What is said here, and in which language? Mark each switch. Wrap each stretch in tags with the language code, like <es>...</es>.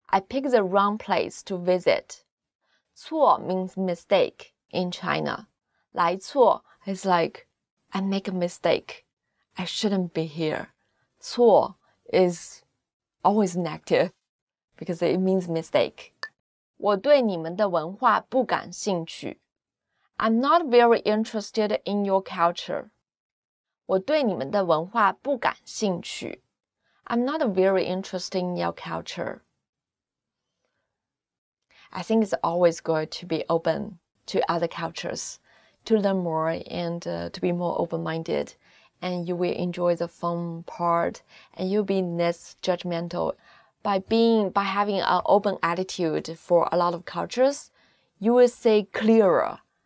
<en>I picked the wrong place to visit. 错 means mistake in China. 来错 is like, I make a mistake. I shouldn't be here. 错 is always negative because it means mistake.</en> <zh>我对你们的文化不感兴趣。</zh> <en>I'm not very interested in your culture.</en> <zh>我对你们的文化不感兴趣。</zh> <en>I'm not very interested in your culture. I think it's always good to be open to other cultures, to learn more and to be more open-minded. And you will enjoy the fun part and you'll be less judgmental. By having an open attitude for a lot of cultures, you will see clearer.</en>